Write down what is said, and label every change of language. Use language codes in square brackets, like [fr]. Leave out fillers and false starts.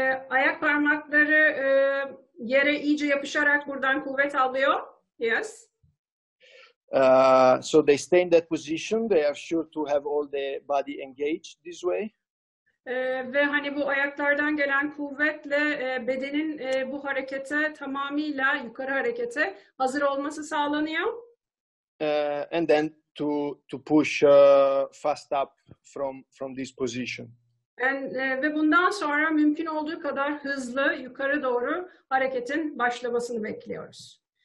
[tr] Ayak parmakları yere iyice yapışarak buradan kuvvet alıyor. [en] Yes. So they stay in that position. They are sure to have all the body engaged this way. [tr] Ve hani bu ayaklardan gelen kuvvetle bedenin bu harekete tamamıyla yukarı harekete hazır olması sağlanıyor. [en] And then to push fast up from this position. [tr] Ve bundan sonra mümkün olduğu kadar hızlı yukarı doğru hareketin başlamasını bekliyoruz.